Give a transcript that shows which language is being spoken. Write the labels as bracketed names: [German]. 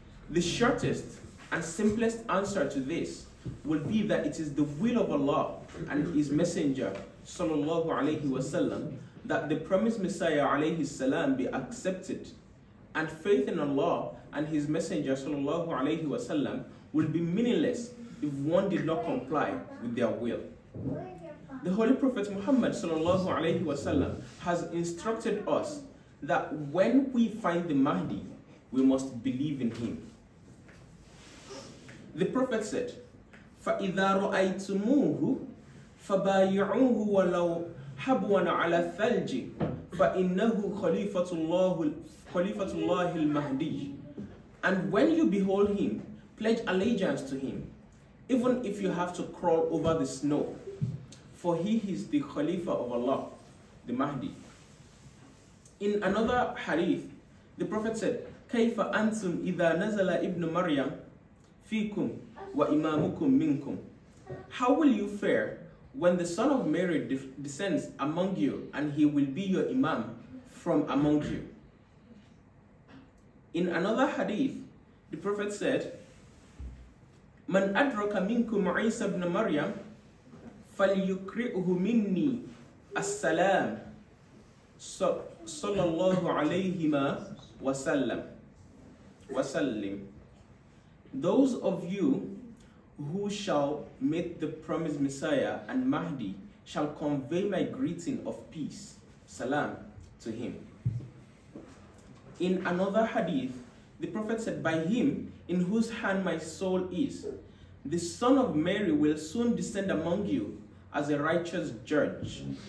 [English] The shortest and simplest answer to this will be that it is the will of Allah and His Messenger sallallahu alayhi wasallam that the promised Messiah alayhi salam be accepted, and faith in Allah and His Messenger sallallahu alayhi wasallam will be meaningless if one did not comply with their will. The Holy Prophet Muhammad sallallahu alayhi wasallam has instructed us that when we find the Mahdi, we must believe in him. [Arabic] The Prophet said, فَإِذَا رَأَيْتُمُوهُ فَبَايِعُوهُ وَلَوْ حَبْوَنَ عَلَى الثَّلْجِ فَإِنَّهُ خَلِيفَةُ اللَّهِ الْمَهْدِيِّ. [English] And when you behold him, pledge allegiance to him, even if you have to crawl over the snow, for he is the Khalifa of Allah, the Mahdi. [Arabic] In another hadith, the Prophet said, كَيْفَ أَنْتُمْ إِذَا نَزَلَ إِبْنُ مَرْيَمْ فِيكُمْ وَإِمَامُكُمْ مِنْكُمْ. [English] How will you fare when the son of Mary descends among you and he will be your imam from among you? [Arabic] In another hadith, the Prophet said, مَنْ أَدْرَكَ مِنْكُمْ عِيسَى بْنَ مَرْيَمْ فَلْيُكْرِئُهُ مِنِّي السَّلَامِ صَلَّى اللَّهُ عَلَيْهِمَا وَسَلِّمْ. [English] Those of you who shall meet the promised Messiah and Mahdi shall convey my greeting of peace, salam, to him. In another hadith, the Prophet said, by him in whose hand my soul is, the son of Mary will soon descend among you as a righteous judge.